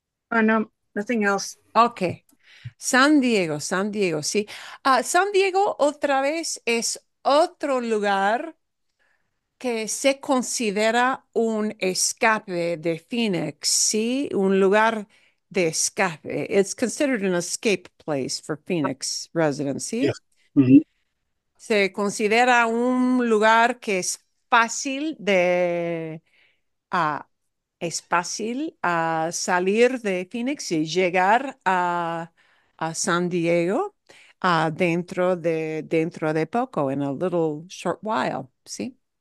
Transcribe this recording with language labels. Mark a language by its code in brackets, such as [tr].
[en] Oh, no, nothing else. [es] Ok. San Diego, sí. San Diego, otra vez, es otro lugar que se considera un escape de Phoenix, sí, un lugar de escape. [en] It's considered an escape place for Phoenix residents, sí. Yeah. [es] Se considera un lugar que es fácil de salir de Phoenix y llegar a San Diego dentro de poco, [en] in a little short while, [es] sí.